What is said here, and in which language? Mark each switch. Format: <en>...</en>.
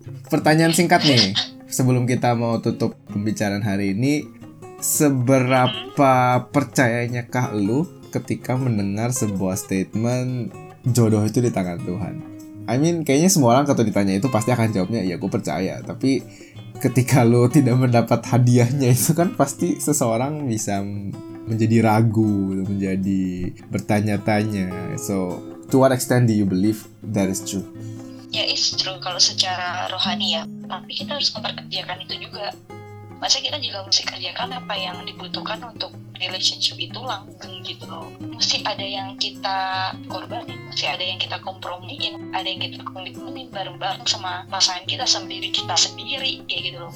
<id>Pertanyaan singkat nih, sebelum kita mau tutup pembicaraan hari ini, seberapa percayanya kah lu ketika mendengar sebuah statement, jodoh itu di tangan Tuhan?</id> <en>I mean,</en> <id>kayaknya semua orang ketika ditanya itu pasti akan jawabnya, ya gue percaya. Tapi ketika lo tidak mendapat hadiahnya itu kan pasti seseorang bisa menjadi ragu, menjadi bertanya-tanya.</id> <en>So, to what extent do you believe that is true?</en> <id>Ya,</id> <en>it's true</en> <id>kalau secara rohani ya. Tapi kita harus memperkerjakan itu juga. Masa kita juga mesti kerjakan apa yang dibutuhkan untuk relationship itu langgeng gitu loh. Mesti ada yang kita korbanin, mesti ada yang kita kompromiin, ada yang kita komitmenin bareng-bareng sama pasangan kita, sama diri kita sendiri, kayak gitu loh.</id>